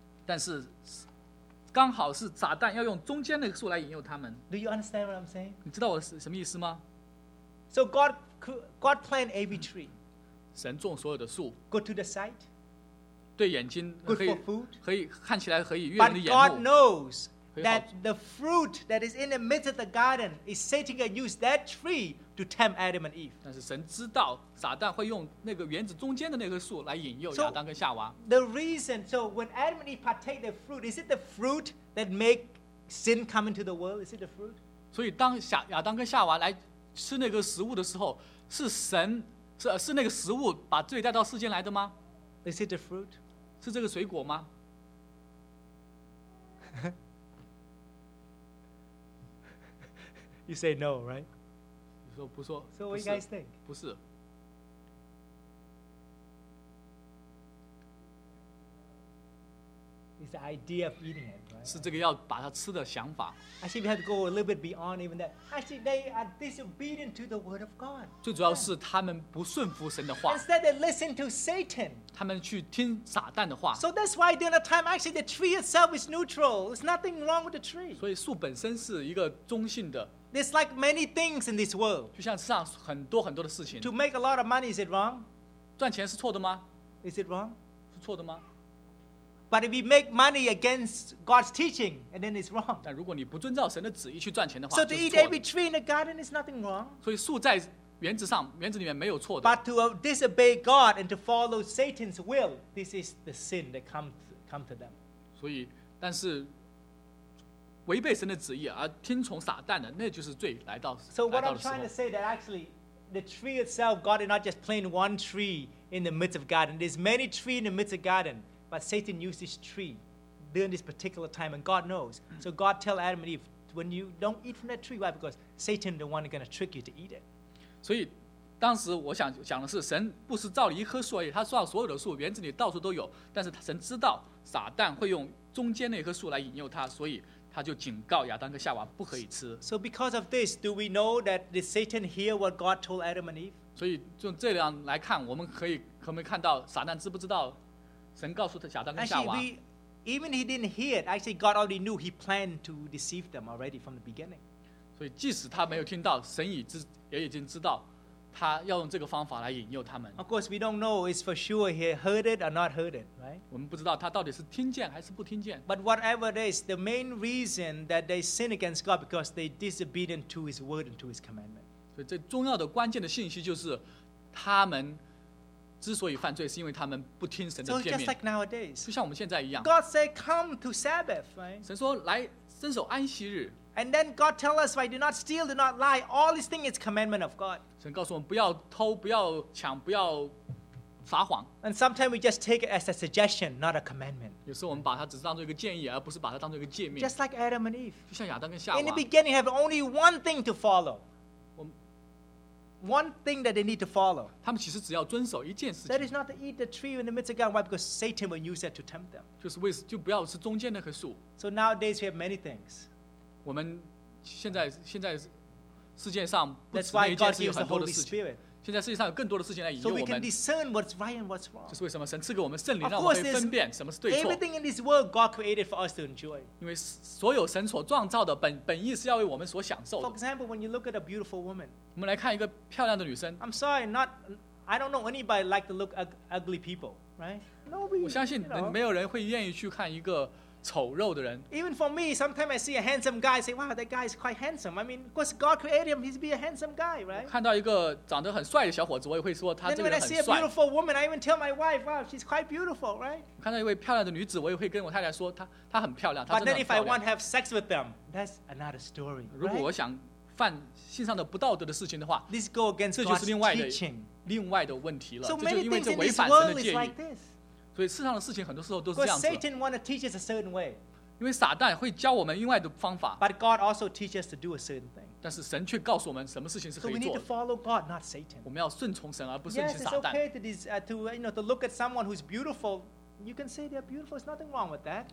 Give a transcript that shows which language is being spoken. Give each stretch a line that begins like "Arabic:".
Chinese: 但是，刚好是撒旦要用中间那个树来引诱他们。
English: Do you understand what I'm saying?
Chinese: 你知道我什么意思吗
English: ？So God planted every tree.
Chinese: 神种所有的树
English: ，Good to the sight，
Chinese: 对眼睛可以
English: ，Good for food，
Chinese: 可以看起来可以悦人的眼目。
English: But God knows that the fruit that is in the midst of the garden is Satan can use that tree to tempt Adam and Eve。
Chinese: 但是神知道撒旦会用那个园子中间的那棵树来引诱亚当跟夏娃。
English: The reason, so when Adam and Eve partake the fruit, is it the fruit that make sin come into the world? Is it the fruit?
Chinese: 所以当亚当跟夏娃来吃那个食物的时候，是神。是那个食物把罪带到世间来的吗
English: ？Is it the fruit？
Chinese: 是这个水果吗
English: You say no, right?
Chinese: 你说不说
English: So what do you guys think?
Chinese: 不是
English: It's the idea of eating it, right?
Chinese: 是这个要把它吃的想法。
English: Actually, we have to go a little bit beyond even that. Actually, they are disobedient to the word of God.
Chinese: 最主要是他们不顺服神的话。
English: Instead, they listen to Satan.
Chinese: 他们去听撒旦的话。
English: So that's why during that time, actually, the tree itself is neutral. There's nothing wrong with the tree.
Chinese: 所以树本身是一个中性的。
English: There's like many things in this world.
Chinese: 就像世上很多很多的事情。
English: To make a lot of money, is it wrong?
Chinese: 赚钱是错的吗
English: ？Is it wrong?
Chinese: 是错的吗？
English: But if we make money against God's teaching, and then it's wrong.
Chinese: 但如果你不遵照神的旨意去赚钱的话
English: ，so to eat every tree in the garden is nothing wrong.
Chinese: 所以树在园子上，园子里面没有错的。
English: But to disobey God and to follow Satan's will, this is the sin that come to them.
Chinese: 所以，但是违背神的旨意而听从撒旦的，那就是罪来到。
English: So what I'm trying to say that actually, the tree itself, God did not just plant one tree in the midst of garden. There's many trees in the midst of garden. But Satan used this tree during this particular time, and God knows. So God tell Adam and Eve, when you don't eat from that tree, why? Because Satan the one going to trick you to eat it.
Chinese: 所以当时我想讲的是，神不是造了一棵树而已，他造所有的树，园子里到处都有。但是神知道撒旦会用中间那棵树来引诱他，所以他就警告亚当和夏娃不可以吃。
English: So because of this, do we know that did Satan hear what God told Adam and Eve?
Chinese: 所以就这样来看，我们可没看到撒旦知不知道？神告诉他亚当跟夏娃。
English: Actually, even he didn't hear it. Actually, God already knew he planned to deceive them already from the beginning.
Chinese: 所以即使他没有听到，神也已经知道，他要用这个方法来引诱他们。
English: Of course, we don't know is for sure he heard it or not heard it, right?
Chinese: 我们不知道他到底是听见还是不听见。
English: But whatever it is, the main reason that they sin against God because they disobedient to His word and to His commandment.
Chinese: 所以这重要的关键的信息就是，他们。之所以犯罪，是因为他们不听神的诫命。
English: So just like nowadays,
Chinese: 就像我们现在一样。
English: God said, "Come to Sabbath." Right?
Chinese: 神说来遵守安息日。
English: And then God tell us, "Why do not steal, do not lie." All these things is commandment of God.
Chinese: 神告诉我们不要偷，不要抢，不要撒谎。
English: And sometimes we just take it as a suggestion, not a commandment.
Chinese: 有时候我们把它只是当做一个建议，而不是把它当做一个诫命。
English: Just like Adam and Eve.
Chinese: 就像亚当跟夏娃。
English: In the beginning, have only one thing to follow. One thing that they need to follow.
Chinese: 他们其实只要遵守一件事情。
English: That is not to eat the tree in the midst of God. Why? Because Satan will use that to tempt them.
Chinese: 就不要吃中间那棵树。
English: So nowadays we have many things.
Chinese: 我们现在世界上不吃那一件事有很多的事情。现在世界上有更多的事情来引诱我们。
English: So we can discern what's right and what's wrong.
Chinese: 就是为什么神赐给我们圣灵，让我们可以分辨什么是对错。
English: Everything in this world God created for us to enjoy.
Chinese: 因为所有神所创造的本意是要为我们所享受的。
English: For example, when you look at a beautiful woman.
Chinese: 我们来看一个漂亮的女生。
English: I'm sorry, not, I don't know anybody like to look ugly people, right? Nobody.
Chinese: 我相信没有人会愿意去看一个丑肉的人。
English: Even for me, sometimes I see a handsome guy, I say, wow, that guy is quite handsome. I mean, because God created him, he's be a handsome guy, right?
Chinese: 看到一个长得很帅的小伙子，我也会说他这个人很帅。
English: Then when I see a beautiful woman, I even tell my wife, wow, she's quite beautiful, right?
Chinese: 看到一位漂亮的女子，我也会跟我太太说她很漂亮，她真的很漂亮。
English: But then if I want to have sex with them, that's another story, right?
Chinese: 如果我想犯性上的不道德的事情的话，
English: this go against
Chinese: 这就是另外的问题了。
English: So、
Chinese: 这就因为这违反神的诫命。所以世上的事情很多时候都是这样子。
English: Because Satan wants to teach us a certain way.
Chinese: 因为撒旦会教我们另外的方法。
English: But God also teaches us to do a certain thing.
Chinese: 但是神却告诉我们什么事情是可以做的。
English: So we need to follow God, not Satan.
Chinese: 我们要顺从神而不顺从撒旦。
English: Yes, it's okay to look at someone who's beautiful. You can say they're beautiful. There's nothing wrong with that.